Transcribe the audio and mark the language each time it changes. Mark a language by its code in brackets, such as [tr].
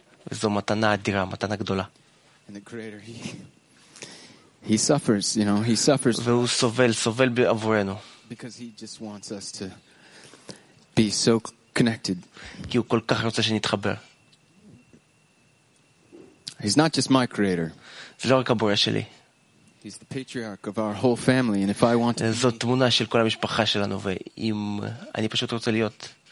[he] וזו מתנה אדירה, מתנה גדולה. [en] And the creator he suffers, you know, he suffers. [he] והוא סובל בעבורנו. [en] Because he just wants us to be so connected. [he] כי הוא כל כך רוצה שנתחבר. [en] He's not just my creator. [he] זה לא רק הבורא שלי. [en] He's the patriarch of our whole family, and if I want to. [he] זאת תמונה של כל המשפחה שלנו, ואם אני פשוט רוצה להיות.